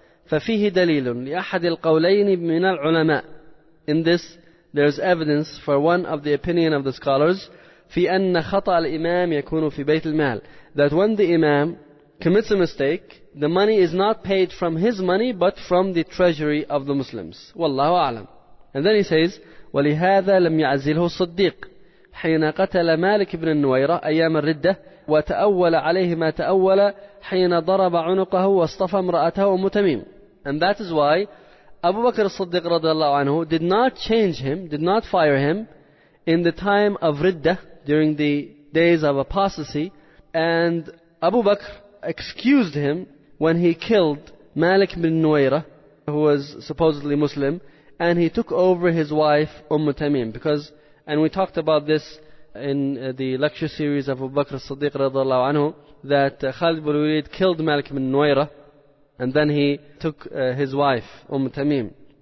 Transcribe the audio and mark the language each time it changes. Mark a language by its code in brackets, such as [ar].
[ar] فَفِيهِ دَلِيلٌ لِأَحَدِ الْقَوْلَيْنِ مِنَ الْعُلَمَاءِ. [en] In this, there is evidence for one of the opinion of the scholars, [ar] في أن خطأ الإمام يكون في بيت المال, [en] that when the Imam commits a mistake, the money is not paid from his money, but from the treasury of the Muslims. [ar] والله أعلم. [en] And then he says, [ar] ولهذا لم يعزله الصديق حين قتل مالك بن النويرة أيام الردة وتأول عليه ما تأول حين ضرب عنقه واصطفى امرأته أم تميم. [en] And that is why Abu Bakr al-Siddiq radiallahu anhu did not change him, did not fire him in the time of Riddah, during the days of apostasy, and Abu Bakr excused him when he killed Malik bin Nuwayra, who was supposedly Muslim, and he took over his wife Umm Tamim, because, and we talked about this in the lecture series of Abu Bakr al-Siddiq radiallahu anhu, that Khalid bin Walid killed Malik bin Nuwayra, and then he took his wife, Umm Tamim.